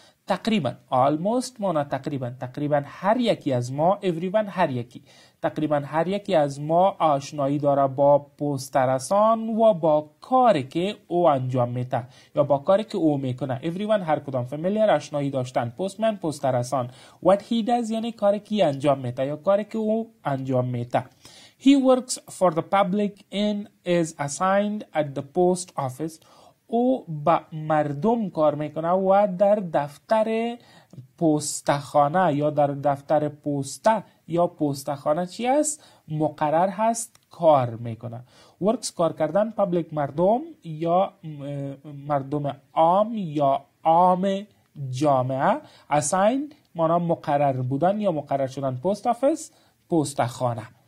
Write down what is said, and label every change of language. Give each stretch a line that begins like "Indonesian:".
Persian: تقریبا، almost مانا تقریبا، تقریبا هر یکی از ما، everyone هر یکی، تقریبا هر یکی از ما آشنایی داره با پسترسان و با کاری که او انجام میده یا با کاری که او میکنه. everyone هر کدام، familiar آشنایی داشتن، postman پسترسان،
English: what he does
Persian: یعنی کاری که انجام میده یا کاری که او انجام میده.
English: he works for the public and is assigned at the post office.
Persian: او با مردم کار میکنه و در دفتر پستخانه یا در دفتر پسته یا پستخانه چی است؟ مقرر هست کار میکنه. ورکس کار کردن، پبلیک مردم یا مردم عام یا عام جامعه، اساین مانا مقرر بودن یا مقرر شدن، پست آفیس پستخانه.